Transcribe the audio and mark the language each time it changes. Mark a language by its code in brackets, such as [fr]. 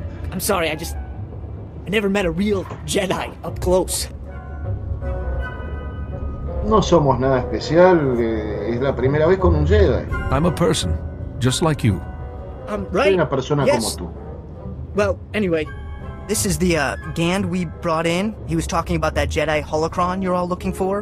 [en] I'm sorry, I never met a real Jedi up close. [es] No somos nada especial, es la primera vez con un Jedi. [en] I'm a person, just like you. Right. [es] Una persona [en] yes. [es] como tú. [en] Well, anyway, this is the Gand we brought in. He was talking about that Jedi holocron you're all looking for.